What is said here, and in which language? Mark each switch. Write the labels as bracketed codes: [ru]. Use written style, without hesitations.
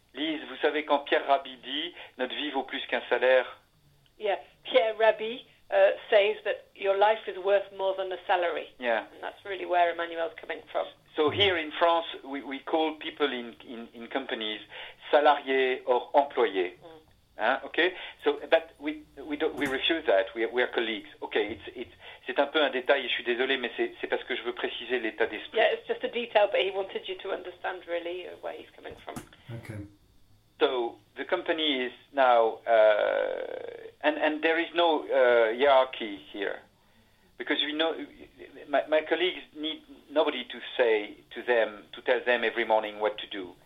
[fr] Lise, vous savez quand Pierre Rabhi dit notre vie vaut plus qu'un salaire. [en] Yeah, Pierre Rabhi says that your life is worth more than a salary. Yeah, and that's really where Emmanuel's coming from. So here in France, we call people in companies salariés or employés. Okay, so but we refuse that. We are colleagues. [fr] Okay, c'est un peu un détail. Je suis désolé, mais c'est parce que je veux préciser l'état d'esprit. [en] Yeah, it's just a detail, but he wanted you to understand really where he's coming from. Okay. So the company is now, and there is no hierarchy here, because we know my colleagues need nobody to say to them to tell them every morning what to do.